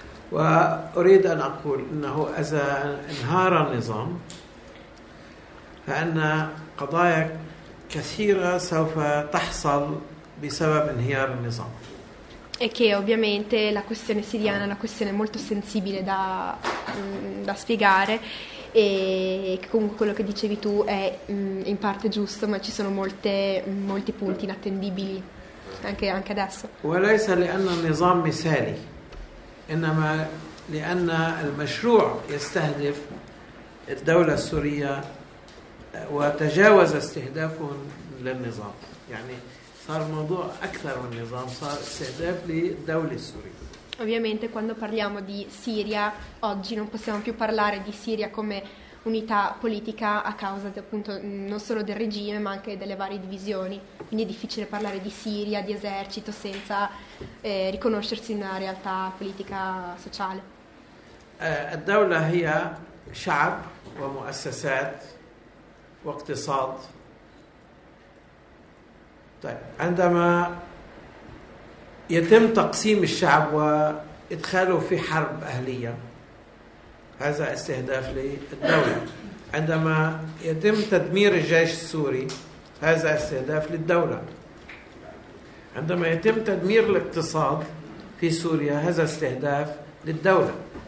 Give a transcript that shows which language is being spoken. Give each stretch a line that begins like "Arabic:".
Arabic: وأريد أن أقول أنه إذا انهار النظام فإن قضايا كثيرة سوف تحصل بسبب انهيار النظام.
Italian: E che ovviamente la questione siriana è una questione molto sensibile da spiegare, e che comunque quello che dicevi tu è in parte giusto, ma ci sono molti punti inattendibili anche adesso.
Arabic: وليس لأن النظام مثالي إنما لأن المشروع يستهدف الدولة السورية وتجاوز استهدافه للنظام، يعني صار موضوع أكثر من النظام، صار استهداف للدولة السورية.
Italian: Ovviamente quando parliamo di Siria, oggi non possiamo più parlare di Siria come unità politica a causa di, appunto, non solo del regime ma anche delle varie divisioni. Quindi è difficile parlare di Siria, di esercito, senza riconoscersi una realtà politica sociale.
Arabic: الدولة هي شعب ومؤسسات واقتصاد. طيب عندما يتم تقسيم الشعب وإدخاله في حرب أهلية هذا استهداف للدولة، عندما يتم تدمير الجيش السوري هذا استهداف للدولة، عندما يتم تدمير الاقتصاد في سوريا هذا استهداف للدولة.